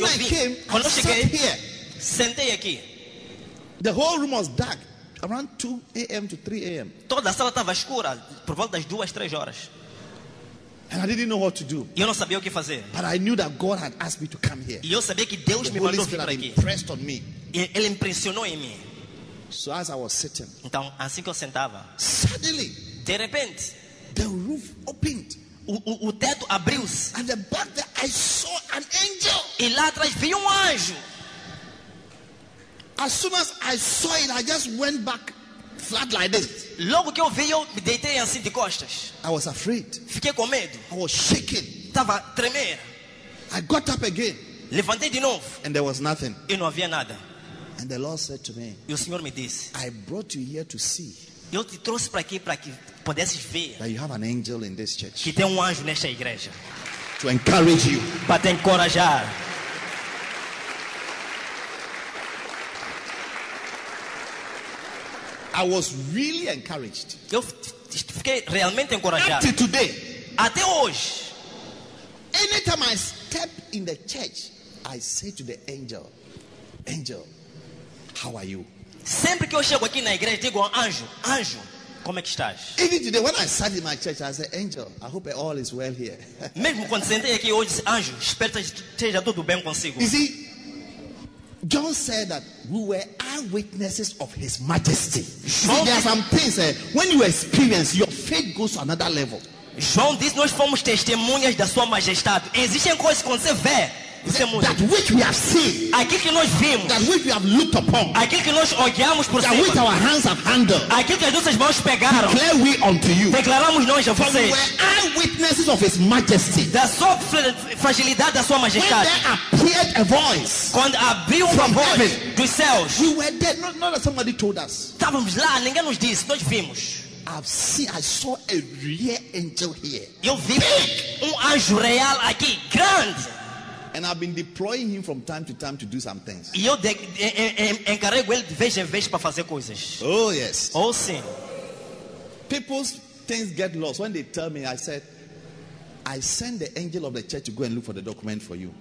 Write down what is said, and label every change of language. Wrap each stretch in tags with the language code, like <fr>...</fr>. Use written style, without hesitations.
<en>When I came,</en> <pt>quando</pt> <en>I</en> <pt>cheguei,</pt> <en>sat here.</en> <pt>Sentei aqui.</pt> <en>The whole room was dark, around 2 a.m. to 3 a.m.</en> <pt>Toda a sala estava escura, por volta das 2, 3 horas.</pt> <en>And I didn't know what to do.</en> <pt>Eu não sabia o que fazer.</pt> <en>But I knew that God had asked me to come here.</en> <pt>E eu sabia que Deus</pt> <en>the</en> <pt>me mandou vir aqui.</pt> <en>Impressed on me.</en> <pt>Ele impressionou em mim.</pt> <en>So as I was sitting,</en> <pt>então, assim que eu sentava,</pt> <en>suddenly,</en> <pt>de repente,</pt> <en>the roof opened.</en> <pt>O teto abriu-se.</pt> <en>And the back there, I saw an angel.</en> <pt>E lá atrás vi anjo.</pt> <en>As soon as I saw it, I just went back flat like this.</en> <pt>Logo que eu vi, eu me deitei assim de costas.</pt> <en>I was afraid.</en> <pt>Fiquei com medo.</pt> <en>I was shaking.</en> <pt>Tava tremer.</pt> <en>I got up again.</en> <pt>Levantei de novo.</pt> <en>And there was nothing.</en> <pt>E não havia nada.</pt> <en>And the Lord said to me,</en> <pt>e o Senhor me disse,</pt> <en>I brought you here to see.</en> <pt>Eu te trouxe para aqui para que pudesses ver.</pt> <en>That you have an angel in this church.</en> <pt>Que tem anjo nesta igreja.</pt> <en>To encourage you.</en> <pt>Para te encorajar.</pt> <en>I was really encouraged.</en> <pt>Eu fiquei realmente encorajado.</pt> <en>Until today,</en> <pt>até hoje,</pt> <en>anytime I step in the church, I say to the angel, "Angel, how are you?"</en> <pt>Sempre que eu chego aqui na igreja, digo, "Anjo, anjo, como é que estás?"</pt> <en>Even today, when I sat in my church, I said, "Angel, I hope all is well here."</en> <pt>Mesmo quando sentei aqui hoje, anjo, espero que esteja tudo bem consigo.</pt> <en>You see, John said that we were eyewitnesses of his majesty.</en> <pt>João,</pt> <en>see, there are some things that when you experience, your faith goes to another level.</en> <pt>João diz, nós fomos testemunhas da sua majestade. Existem coisas que você vê.</pt> <en>That which we have seen.</en> <pt>Aquilo que nós vimos.</pt> <en>That which we have looked upon.</en> <pt>Aquilo que nós olhamos por</pt> <en>that</en> <pt>cima.</pt> <en>Which our hands have handled.</en> <pt>Aquilo que as nossas mãos pegaram.</pt> <en>Declare we unto you.</en> <pt>Declaramos nós a</pt> <en>for</en> <pt>vocês.</pt> <en>We were eyewitnesses of his majesty.</en> <pt>Da sua fragilidade, da sua majestade.</pt> <en>When there appeared a voice.</en> <pt>Quando abriu uma voz</pt> <en>heaven,</en> <pt>dos céus.</pt> <en>We were there. Not that somebody told us.</en> <pt>Estávamos lá, ninguém nos disse, nós vimos.</pt> <en>I've seen, I saw a real angel here.</en> <pt>Eu vi anjo real aqui, grande.</pt> <en>And I've been deploying him from time to time to do some things.</en> <pt>E eu encarrego ele de vez em vez para fazer coisas.</pt> <en>Oh yes.</en> <pt>Oh sim.</pt> <en>People's things get lost when they tell me. I said, I send the angel of the church to go and look for the document for you.</en>